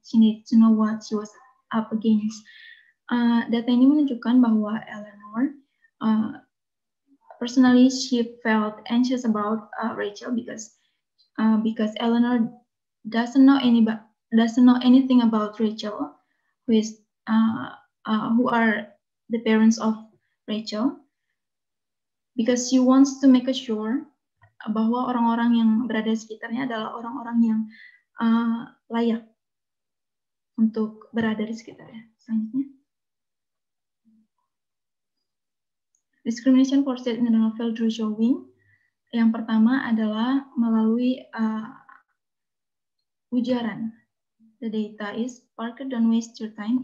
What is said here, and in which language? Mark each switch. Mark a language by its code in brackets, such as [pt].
[en] She needed to know what she was up against. [id] Data ini menunjukkan bahwa [en] Eleanor, personally, she felt anxious about Rachel because Eleanor doesn't know anything about Rachel, who are the parents of Rachel. Because she wants to make sure [id] bahwa orang-orang yang berada di sekitarnya adalah orang-orang yang layak untuk berada di sekitarnya. Selanjutnya. [en] Discrimination portrayed in the novel through showing. [id] Yang pertama adalah melalui ujaran. [en] The data is Parker, don't waste your time.